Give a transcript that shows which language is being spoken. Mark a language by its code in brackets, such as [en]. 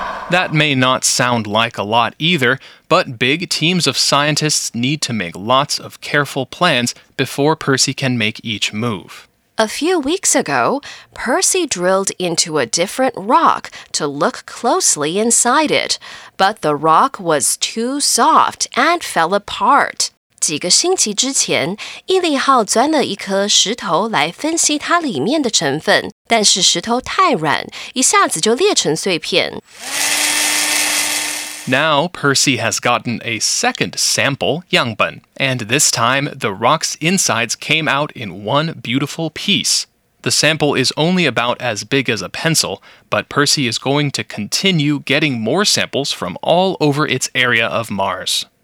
[en] That may not sound like a lot either, but big teams of scientists need to make lots of careful plans before Percy can make each move. A few weeks ago, Percy drilled into a different rock to look closely inside it, but the rock was too soft and fell apart. [zh] 几个星期之前，毅力号钻了一颗石头来分析它里面的成分，但是石头太软，一下子就裂成碎片。 [en] Now, Percy has gotten a second sample, [zh] 样本, [en] and this time, the rock's insides came out in one beautiful piece. The sample is only about as big as a pencil, but Percy is going to continue getting more samples from all over its area of Mars.